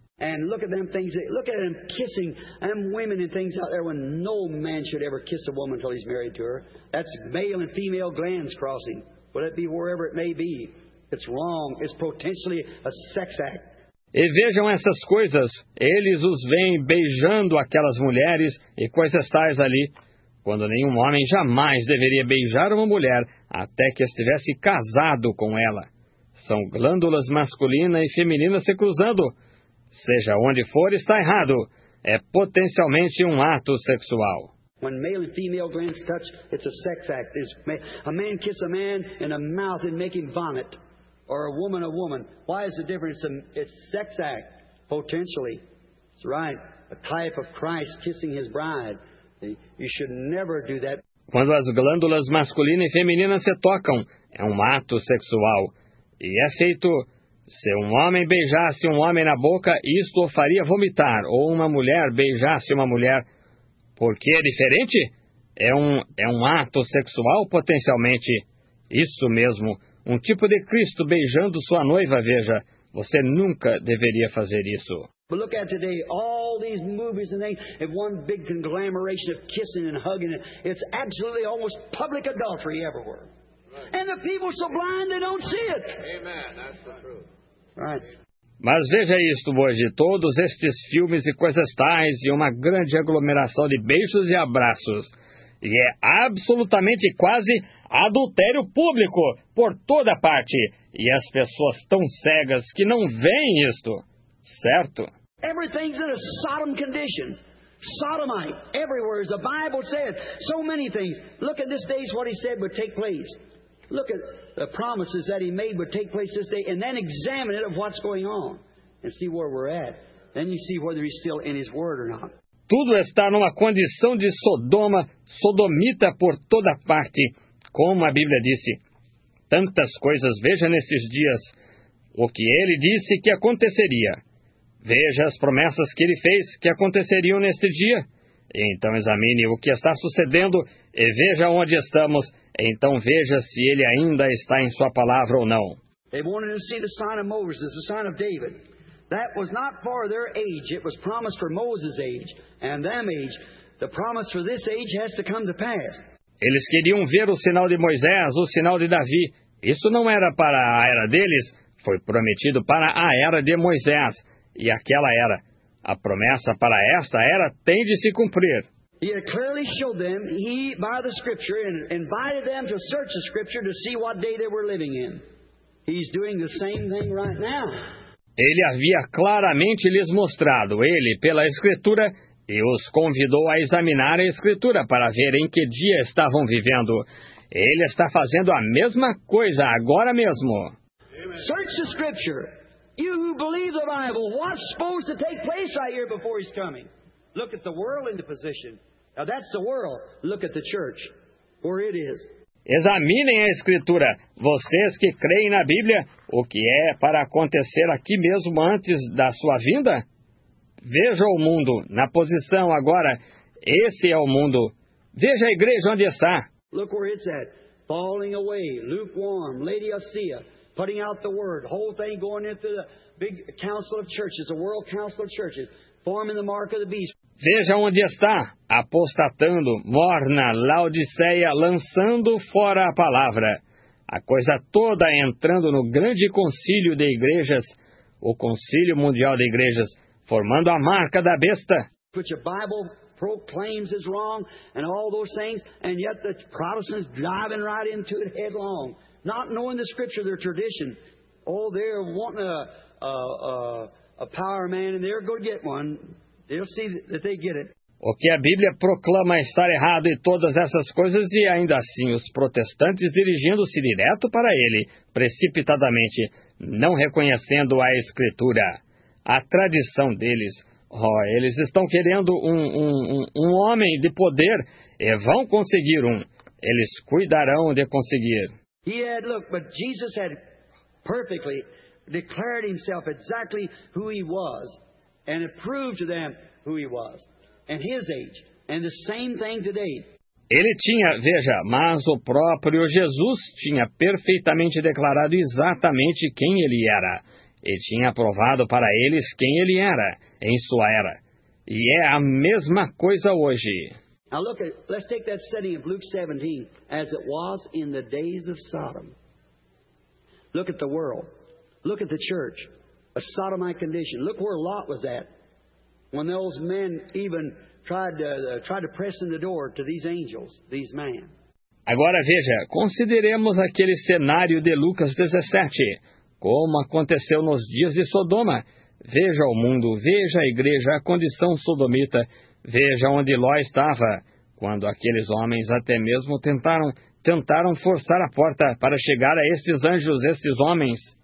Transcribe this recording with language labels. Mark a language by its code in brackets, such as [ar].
[en] And look at them things, look at them kissing them women and things out there when no man should ever kiss a woman until he's married to her. That's male and female glands crossing. Will it be wherever it may be? It's wrong. It's potentially a sex act. [pt] E vejam essas coisas. Eles os veem beijando aquelas mulheres e coisas tais ali, quando nenhum homem jamais deveria beijar uma mulher até que estivesse casado com ela. São glândulas masculina e feminina se cruzando. Seja onde for, está errado. É potencialmente um ato sexual. [en] When male and female glands touch, it's a sex act. It's a man kiss a man in the mouth and make him vomit. Or a woman, why is the difference? It's sex act, potentially. It's right, a type of Christ kissing his bride. You should never do that. [pt] Quando as glândulas masculina e feminina se tocam, é um ato sexual. E é feito, se um homem beijasse um homem na boca, isto o faria vomitar. Ou uma mulher beijasse uma mulher, porque é diferente? É um ato sexual, potencialmente. Isso mesmo. Um tipo de Cristo beijando sua noiva, veja, você nunca deveria fazer isso. [en] But look at today, all these movies and things, and one big conglomeration of kissing and hugging, it's absolutely almost public adultery everywhere. Right. And the people so blind they don't see it. Amen, that's the truth. Right. [pt] Mas veja isto hoje, todos estes filmes e coisas tais, e uma grande aglomeração de beijos e abraços. E é absolutamente quase adultério público por toda parte. E as pessoas tão cegas que não veem isto, certo? [en] Everything's in a Sodom condition. Sodomite, everywhere, as the Bible said. So many things. Look at this day, what he said would take place. Look at the promises that he made would take place this day. And then examine it of what's going on. And see where we're at. Then you see whether he's still in his word or not. [pt] Tudo está numa condição de Sodoma, sodomita por toda parte, como a Bíblia disse. Tantas coisas, veja nesses dias, o que ele disse que aconteceria. Veja as promessas que ele fez que aconteceriam neste dia. Então examine o que está sucedendo e veja onde estamos. Então veja se ele ainda está em sua palavra ou não. [en] They wanted to see the sign of Moses, the sign of David. That was not for their age. It was promised for Moses' age and them age. The promise for this age has to come to pass. [pt] Eles queriam ver o sinal de Moisés, o sinal de Davi. Isso não era para a era deles. Foi prometido para a era de Moisés e aquela era. A promessa para esta era tem de se cumprir. [en] He had clearly showed them, he by the scripture, and invited them to search the scripture to see what day they were living in. He's doing the same thing right now. [pt] Ele havia claramente lhes mostrado, ele, pela Escritura, e os convidou a examinar a Escritura para ver em que dia estavam vivendo. Ele está fazendo a mesma coisa agora mesmo. [en] Search the Scripture. You who believe the Bible, what's supposed to take place right here before he's coming? Look at the world in the position. Now that's the world. Look at the church, where it is. [pt] Examinem a Escritura, vocês que creem na Bíblia, o que é para acontecer aqui mesmo antes da sua vinda? Veja o mundo, na posição agora, esse é o mundo. Veja a igreja onde está. [en] Look where it's at, falling away, lukewarm, Laodicea, putting out the word, whole thing going into the big council of churches, the world council of churches, forming the mark of the beast. [pt] Veja onde está, apostatando, morna, Laodiceia, lançando fora a palavra. A coisa toda entrando no grande concílio de igrejas, o concílio mundial de igrejas, formando a marca da besta. [en] Which the Bible proclaims is wrong, and all those things, and yet the Protestants driving right into it headlong, not knowing the scripture, their tradition. Oh, they're wanting a power man, and they're going to get one. They'll see that they get it. [pt] O que a Bíblia proclama estar errado e todas essas coisas, e ainda assim os protestantes dirigindo-se direto para ele, precipitadamente, não reconhecendo a Escritura, a tradição deles. Oh, eles estão querendo um homem de poder e vão conseguir um. Eles cuidarão de conseguir. [en] He had, look, but Jesus had perfectly declared himself exactly who he was. And it proved to them who he was and his age. And the same thing today. [pt] Ele tinha, veja, mas o próprio Jesus tinha perfeitamente declarado exatamente quem ele era. E tinha provado para eles quem ele era em sua era. E é a mesma coisa hoje. [en] Now look at, let's take that setting of Luke 17 as it was in the days of Sodom. Look at the world. Look at the church. A sodomite condition. Look where Lot was at. When those men even tried to press in the door to these angels, these men. [pt] Agora veja, consideremos aquele cenário de Lucas 17. Como aconteceu nos dias de Sodoma. Veja o mundo, veja a igreja, a condição sodomita. Veja onde Ló estava, quando aqueles homens até mesmo tentaram forçar a porta para chegar a estes anjos, estes homens.